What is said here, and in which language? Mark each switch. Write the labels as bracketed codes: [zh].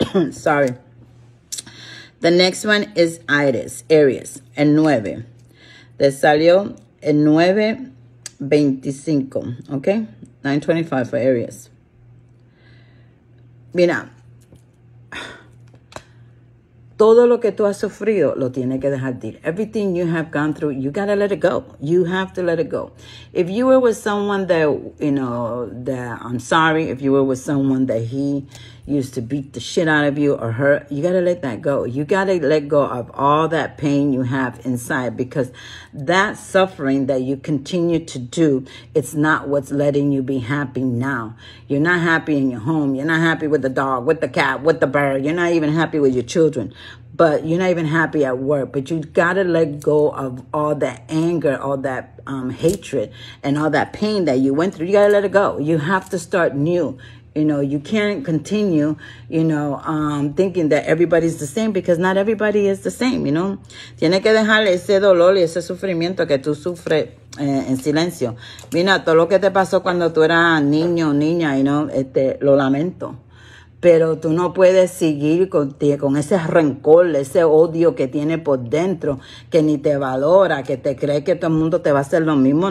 [en] Sorry. The next one is Aries, el 9. [es] Te salió el 9:25, ¿ok? [en] 9:25 for Aries. [es] Mira, todo lo que tú has sufrido lo tienes que dejar de ir. [en] Everything you have gone through, you gotta let it go. You have to let it go. If you were with someone that, I'm sorry, if you were with someone that he used to beat the shit out of you or her, you gotta let that go. You gotta let go of all that pain you have inside, because that suffering that you continue to do, it's not what's letting you be happy now. You're not happy in your home. You're not happy with the dog, with the cat, with the bird. You're not even happy with your children. But you're not even happy at work. But you gotta let go of all that anger, all that hatred, and all that pain that you went through. You gotta let it go. You have to start new. You know, you can't continue, you know, thinking that everybody's the same, because not everybody is the same, you know. [es] Tiene que dejar ese dolor y ese sufrimiento que tú sufres en silencio. Mira, todo lo que te pasó cuando tú eras niño o niña, you know, lo lamento. Pero tú no puedes seguir con ese rencor, ese odio que tiene por dentro, que ni te valora, que te cree que todo el mundo te va a hacer lo mismo.